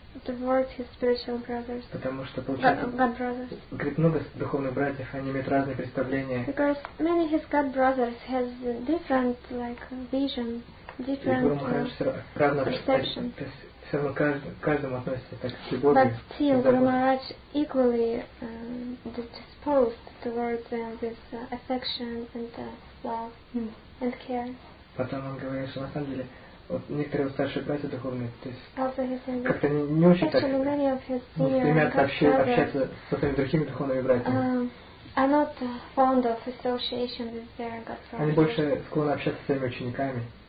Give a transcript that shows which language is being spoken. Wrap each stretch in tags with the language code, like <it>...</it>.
<en>Towards his spiritual brothers.</en> <ru>Потому что получается. Говорит, много духовных братьев, они имеют разные представления.</ru> <en>Because many his god brothers has different like vision, different perception.</en> <ru>То есть все равно каждому относится так с любовью.</ru> <en>But still, Guru Maharaj equally disposed towards them with affection and love and care.</en> <ru>Потом он говорит, что на самом деле вот некоторые старшие братья духовные, то есть как-то не очень так, стремятся общаться со своими другими духовными братьями. Они больше склонны общаться со своими учениками.</ru>